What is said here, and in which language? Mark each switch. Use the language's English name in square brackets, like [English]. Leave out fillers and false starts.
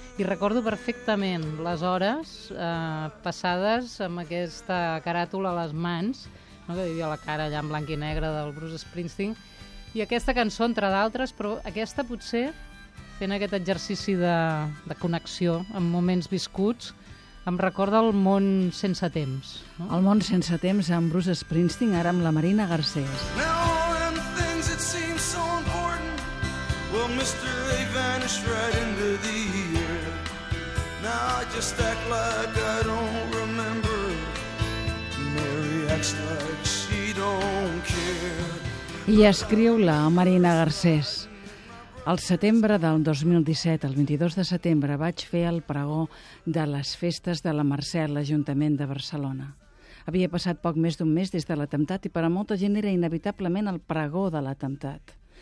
[Catalan] I recordo perfectament les hores passades amb aquesta caràtula a les mans, no?, que havia la cara allà en blanc i negre del Bruce Springsteen, i aquesta cançó, entre d'altres, però aquesta potser... fent aquest exercici de connexió amb moments viscuts, em recorda el món sense temps. No? El món sense temps amb Bruce Springsteen, ara amb la Marina Garcés. [English] Now all them things that seem so important, well, Mr. A vanished right into the air. Now I just act like I don't remember. Mary acts like she don't care. [Catalan] I escriu-la a Marina Garcés. El setembre del 2017, el 22 de setembre, vaig fer el pregó de les festes de la Mercè a l'Ajuntament de Barcelona. Havia passat poc més d'un mes des de l'atemptat i per a molta gent era inevitablement el pregó de l'atemptat.